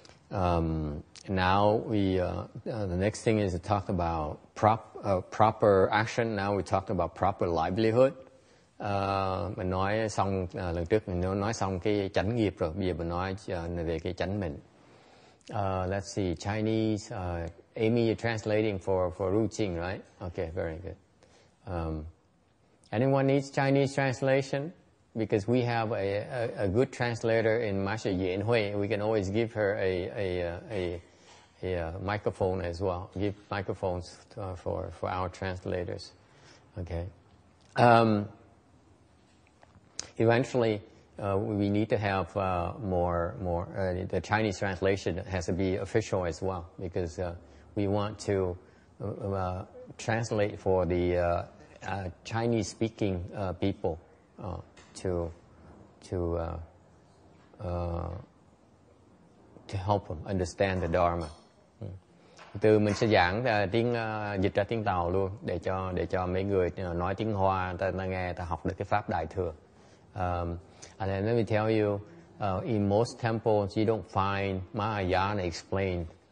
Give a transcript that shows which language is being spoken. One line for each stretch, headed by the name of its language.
English: Now the next thing is to talk about proper action. Now we talked about proper livelihood.
Vietnamese: Mình nói xong lần trước mình nói xong cái chánh nghiệp rồi. Bây giờ mình nói về cái chánh mình.
English: Let's see, Chinese, Amy, you're translating for Ru Qing, right? Okay, very good. Anyone needs Chinese translation? Because we have a good translator in Master Yin Hui. We can always give her a microphone as well. Give microphones for our translators. Okay. Eventually, we need to have more the Chinese translation has to be official as well, because we want to translate for the Chinese speaking people to help them understand the Dharma.
Vietnamese: Từ mình sẽ giảng tiếng dịch ra tiếng Tàu luôn để cho mấy người nói tiếng Hoa ta nghe ta học được cái pháp đại thừa.
English: And then let me tell you, in most temples, you don't find Mahayana explained.